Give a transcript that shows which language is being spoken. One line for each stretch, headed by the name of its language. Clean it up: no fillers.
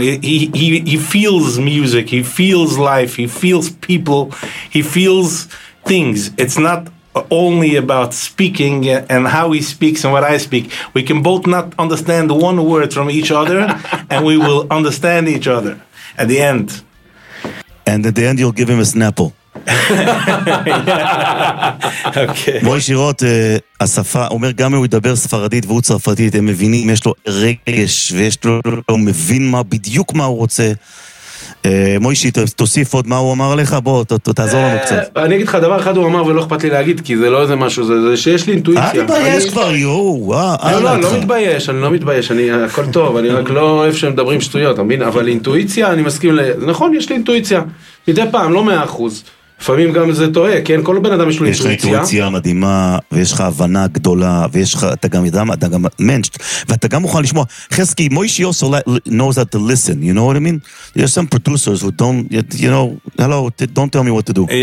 English: He feels music, he feels life, he feels people, he feels things. It's not only about speaking and how he speaks and what I speak. We can both not understand one word from each other and we will understand each other at the end. And at the end you'll give him a Snapple. Okay.
Hebrew: מוישי רוט, השפה, אומר גם הוא ידבר ספרדית והוא צרפתית, הם מבינים, יש לו רגש ויש לו, הוא מבין מה בדיוק מה הוא רוצה. מוישי, תוסיף עוד מה הוא אמר לך, בוא, תעזור לנו קצת. אני אגיד לך, דבר אחד הוא אמר ולא אכפת לי להגיד, כי זה לא איזה משהו, זה שיש לי אינטואיציה. אל תתבייש כבר, יואו, לא, לא, אני לא מתבייש, אני לא מתבייש, אני, הכל טוב, אני רק לא אוהב שמדברים שטויות, אבל אינטואיציה, אני מסכים, נכון, יש לי אינטואיציה, מדי פעם, לא 100%, לפעמים גם זה טועה, כן, כל בן אדם יש לו אינטואיציה. יש לך אינטואיציה מדהימה, ויש לך הבנה גדולה, ויש לך, אתה גם ידם, אתה גם מנשט, ואתה גם מוכן לשמוע, חסקי, מוישי
English: also knows how to listen, you know what I mean? There are some producers who don't, you know, hello, don't tell me what to do.